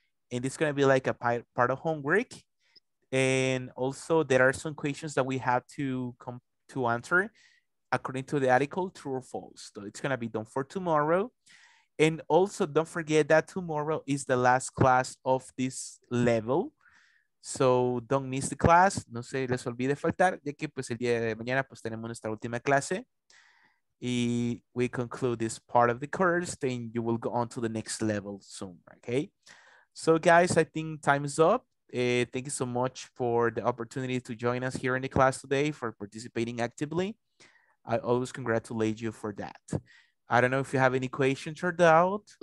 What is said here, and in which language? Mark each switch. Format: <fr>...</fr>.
<en>And it's going to be like a part of homework. And also there are some questions that we have to answer according to the article, true or false. So it's going to be done for tomorrow. And also don't forget that tomorrow is the last class of this level. So don't miss the class.</en> <es>No se les olvide faltar, ya que pues el día de mañana pues tenemos nuestra última clase.</es> <en>Y we conclude this part of the course, then you will go on to the next level soon, okay? So guys, I think time is up. Thank you so much for the opportunity to join us here in the class today, for participating actively. I always congratulate you for that. I don't know if you have any questions or doubt.</en>